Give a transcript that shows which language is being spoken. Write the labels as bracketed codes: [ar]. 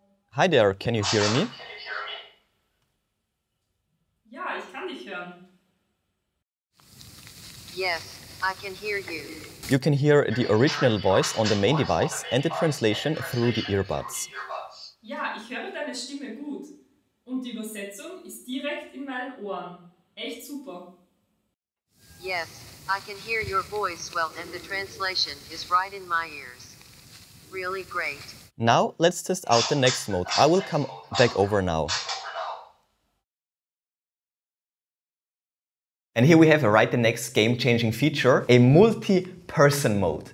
[en] Hi there, can you hear me? Yeah, I can hear. Yes, I can hear you. You can hear the original voice on the main device and the translation through the earbuds. [de] Ja, ich höre deine Stimme gut. Und die Übersetzung ist direkt in meinen Ohren. Echt super. [en] Yes, I can hear your voice well and the translation is right in my ears. Really great. Now let's test out the next mode. I will come back over now. And here we have the next game-changing feature, a multi-person mode.